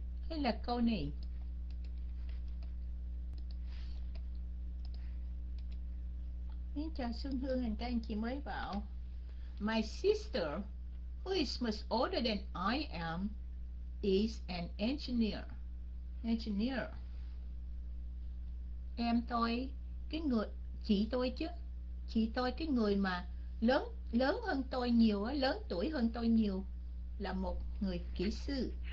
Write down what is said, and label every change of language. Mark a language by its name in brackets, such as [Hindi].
[Vietnamese] Hay là câu này. Mình chào Xuân Hương, anh ta anh chị mới vào. [English] My sister, who is much older than I am, is an engineer. Engineer. [Vietnamese] Em tôi, cái người, chị tôi chứ. Chị tôi, cái người mà lớn lớn hơn tôi nhiều á, lớn tuổi hơn tôi nhiều, là một người kỹ sư.